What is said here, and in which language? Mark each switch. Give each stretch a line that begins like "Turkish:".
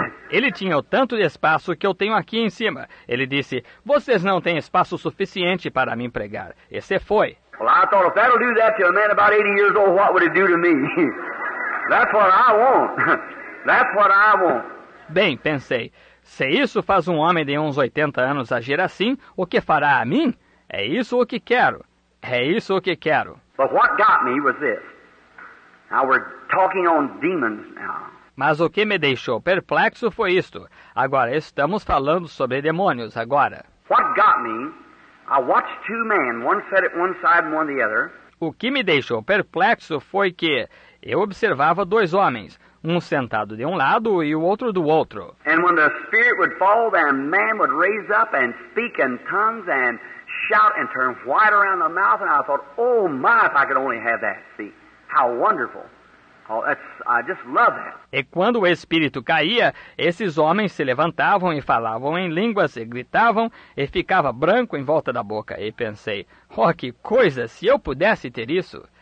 Portuguese: Ele tinha o tanto de espaço que eu tenho aqui em cima. Ele disse, vocês não têm espaço suficiente para mim pregar. Esse foi.
English: Well, I thought, if that'll do that to a man about 80 years old, what would it do to me? That's what I want. That's what I want.
Portuguese: Bem, pensei, se isso faz um homem de uns 80 anos agir assim, o que fará a mim? É isso o que quero. É isso o que quero.
English: But what got me was this. Now we're talking on demons now.
Portuguese: Mas o que me deixou perplexo foi isto. Agora estamos falando sobre demônios agora.
English: What got me, I watched two men, one sat at one side and one the other.
Portuguese: O que me deixou perplexo foi que eu observava dois homens, um sentado de um lado e o outro do outro.
English: And when the spirit would fall, then man would raise up and speak in tongues and shout and turn white around the mouth. And I thought, oh my, if I could only have that, see, how wonderful. Oh, that's, I just love that.
Portuguese: E quando o espírito caía, esses homens se levantavam e falavam em línguas e gritavam e ficava branco em volta da boca. E pensei, oh, que coisa, se eu pudesse ter isso.